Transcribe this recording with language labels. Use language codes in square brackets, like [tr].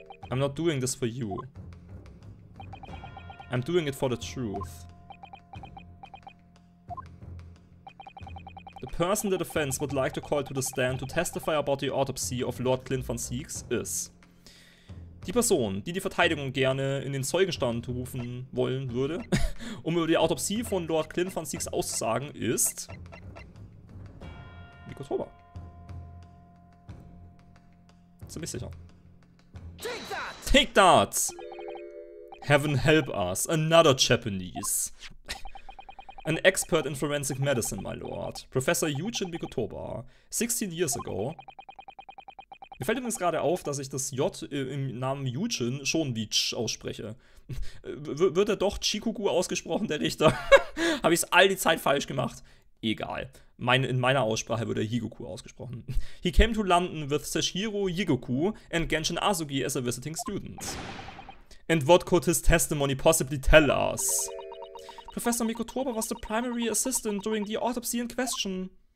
[en] I'm not doing this for you. I'm doing it for the truth. The person the defense would like to call to the stand to testify about the autopsy of Lord Clint von Sieg is... [de] Die Person, die die Verteidigung gerne in den Zeugenstand rufen wollen würde, um über die Autopsie von Lord Clint von Sieg auszusagen, ist... [en] Mikotoba. [de] Ziemlich sicher. [en] Take that! Take that! Heaven help us, another Japanese. An expert in forensic medicine, my lord. Professor Eugene Mikotoba. 16 years ago... [de] Mir fällt übrigens gerade auf, dass ich das J im Namen Yuchin schon wie Ch ausspreche. Wird er doch Chikuku ausgesprochen, der Richter? Habe ich es all die Zeit falsch gemacht? Egal. In meiner Aussprache wird er Higoku ausgesprochen. [en] He came to London with Sashiro Higoku and Genshin Azugi as a visiting student. And what could his testimony possibly tell us? Professor Mikotoba was the primary assistant during the autopsy in question.